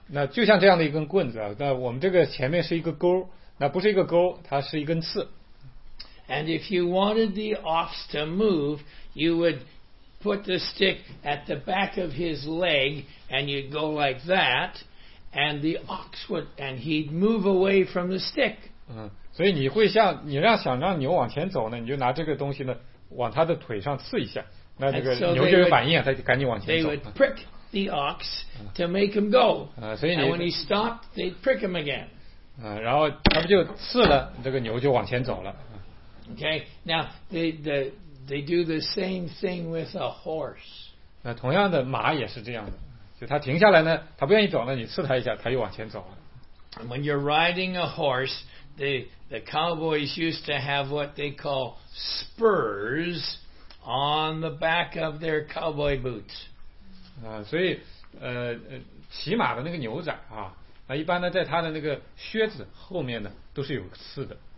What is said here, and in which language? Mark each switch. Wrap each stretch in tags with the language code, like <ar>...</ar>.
<zh>那就像这样的一根棍子啊，那我们这个前面是一个钩，那不是一个钩，它是一根刺。</zh> <en>And if you wanted the ox to move, you would put the stick at the back of his leg. And you'd go like that, and the ox would, and he'd move away from the stick.</en> <zh>所以你会像你让想让牛往前走呢，你就拿这个东西呢往他的腿上刺一下，那这个牛就有反应，他就赶紧往前走。</zh> <en>They would prick the ox to make him go.</en> <zh>所以</zh> <en>And when he stopped, they prick him again.</en> <zh>然后他们就刺了，这个牛就往前走了。</zh> <en>Okay, now they do the same thing with a horse.</en> <zh>同样的马也是这样的，就他停下来呢，他不愿意走了，你刺他一下，他又往前走了。</zh> <en>And when you're riding a horse, the cowboys used to have what they call spurs on the back of their cowboy boots.</en> <zh>所以骑马的那个牛仔啊，一般呢在他的那个靴子后面呢都是有刺的。</zh>